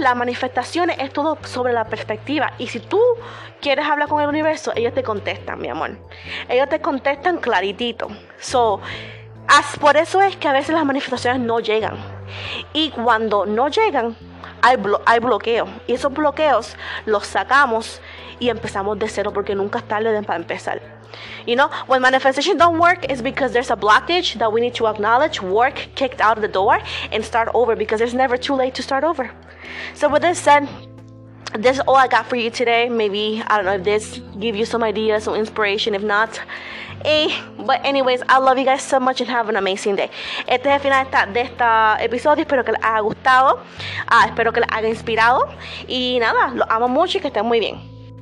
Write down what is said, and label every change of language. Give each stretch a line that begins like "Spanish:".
Spanish: Las manifestaciones es todo sobre la perspectiva, y si tú quieres hablar con el universo, ellos te contestan, mi amor. Ellos te contestan claritito. So, por eso es que a veces las manifestaciones no llegan, y cuando no llegan, hay bloqueos, y esos bloqueos los sacamos y empezamos de cero, porque nunca es tarde para empezar.
English: You know, when manifestation don't work, it's because there's a blockage that we need to acknowledge, work, kicked out the door, and start over, because it's never too late to start over. So with this said, this is all I got for you today. Maybe, I don't know if this give you some ideas, some inspiration. If not, but anyways, I love you guys so much and have an amazing day.
Spanish: Este es el final de este episodio. Espero que les haya gustado. Espero que les haya inspirado. Y nada, los amo mucho y que estén muy bien.